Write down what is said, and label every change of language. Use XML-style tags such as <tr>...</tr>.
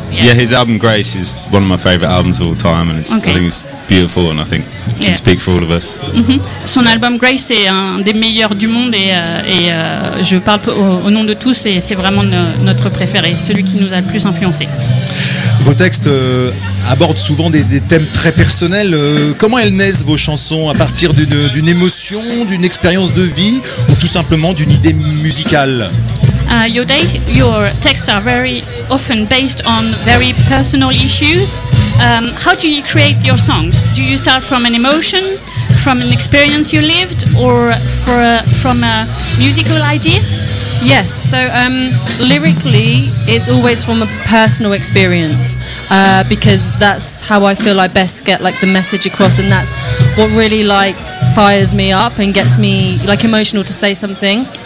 <en>Yeah, his album Grace is one of my favorite albums of all time and I think it's beautiful and I think it can speak for all of us. Mm-hmm.</en> <fr>Son album Grace est un des meilleurs du monde et je parle au nom de tous et c'est vraiment notre préféré, celui qui nous a le plus influencé. Vos textes abordent souvent des thèmes très personnels. Comment elles naissent, vos chansons? À partir d'une émotion, d'une expérience de vie ou tout simplement d'une idée musicale?</fr> <en>Your texts are very often based on very personal issues. How do you create your songs? Do you start from an emotion, from an experience you lived, or from a musical idea? Yes, so lyrically it's always from a personal experience because that's how I feel I best get like the message across, and that's what really like fires me up and gets me like emotional to say something.</en>